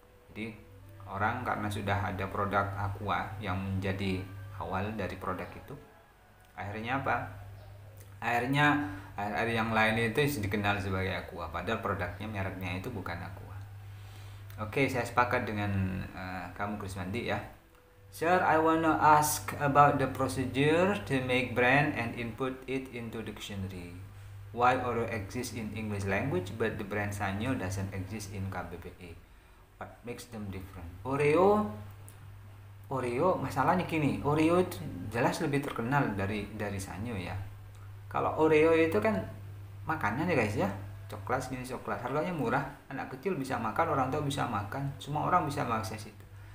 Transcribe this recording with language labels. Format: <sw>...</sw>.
<id>Jadi orang karena sudah ada produk aqua yang menjadi awal dari produk itu, akhirnya apa, akhirnya air yang lain itu dikenal sebagai aqua padahal produknya mereknya itu bukan aqua. Oke, saya sepakat dengan kamu Krismandi ya.</id> <en>Sir, I want to ask about the procedure to make brand and input it into dictionary. Why Oreo exists in English language but the brand Sanyo doesn't exist in KBBI? What makes them different?</en> <id>Oreo masalahnya gini, Oreo itu jelas lebih terkenal dari Sanyo ya. Kalau Oreo itu kan makanan ya guys ya, coklat, gini coklat, harganya murah, anak kecil bisa makan, orang tua bisa makan, semua orang bisa mengakses itu.</id>